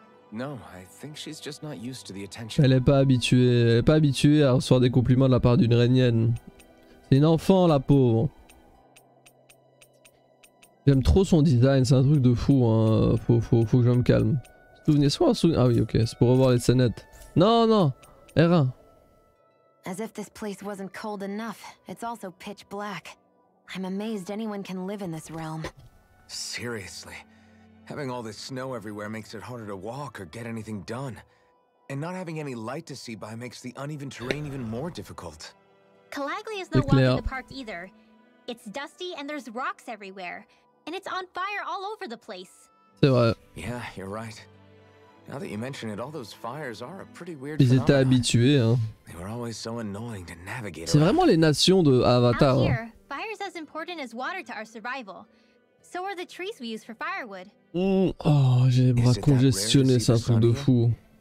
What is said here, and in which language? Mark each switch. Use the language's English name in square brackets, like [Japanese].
[English] No, I think she's just not used to the attention. [French] Elle est pas habituée. Elle est pas habituée à recevoir des compliments de la part d'une régnienne. C'est une enfant, la pauvre. J'aime trop son design, c'est un truc de fou, hein. Faut que je me calme. Souvenez-vous, ah oui, ok, c'est pour revoir les scénettes. Non, non, R1. [English] As if this place wasn't cold enough, it's also pitch black. I'm amazed anyone can live in this realm. Seriously, having all this snow everywhere makes it harder to walk or get anything done. And not having any light to see by makes the uneven terrain even more difficult. Calaglia is no walk in the park either. It's dusty and there's rocks everywhere. And it's on fire all over the place. [French] C'est vrai. [English] Yeah, you're right. Now that you mention it, all those fires are a pretty weird phenomenon. [French] Ils étaient habitués, hein. [English] They were always so annoying to navigate. [French] C'est vraiment les nations de Avatar. [English] Out here, fire is as important as water to our survival. So are the trees we use for firewood. [French] Oh, j'ai les bras congestionnés, c'est un truc de fou.